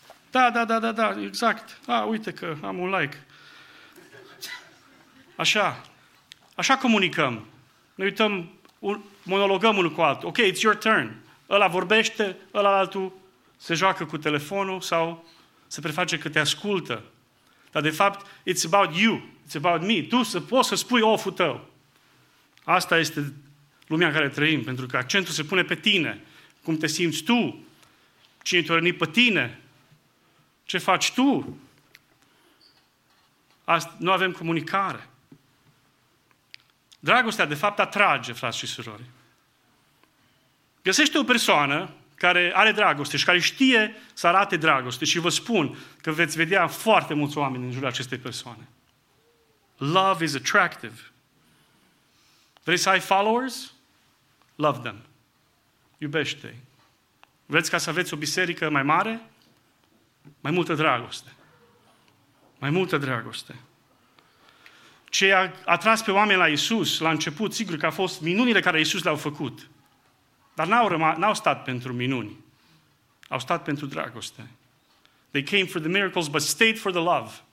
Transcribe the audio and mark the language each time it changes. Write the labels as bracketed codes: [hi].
[ro] Da, exact. Uite că am un like. Așa comunicăm. Ne uităm, monologăm unul cu altul. [en] Ok, it's your turn. [ro] Ăla vorbește, ăla altul se joacă cu telefonul sau se preface că te ascultă. Dar de fapt, [en] it's about you, it's about me. [ro] Tu să poți să spui off-ul tău. Asta este lumea în care trăim, pentru că accentul se pune pe tine. Cum te simți tu? Cine te-a rănit pe tine? Ce faci tu? Nu avem comunicare. Dragostea, de fapt, atrage, frați și surori. Găsește o persoană care are dragoste și care știe să arate dragoste și vă spun că veți vedea foarte mulți oameni în jurul acestei persoane. [en] Love is attractive. [ro] Vrei să ai followers? [en] Love them. [ro] iubește-i. Vreți ca să aveți o biserică mai mare? Mai multă dragoste. Mai multă dragoste. Ce a atras pe oameni la Iisus, la început, sigur că a fost minunile care Iisus le-au făcut. Dar n-au stat pentru minuni. Au stat pentru dragoste. [en] They came for the miracles, but stayed for the love.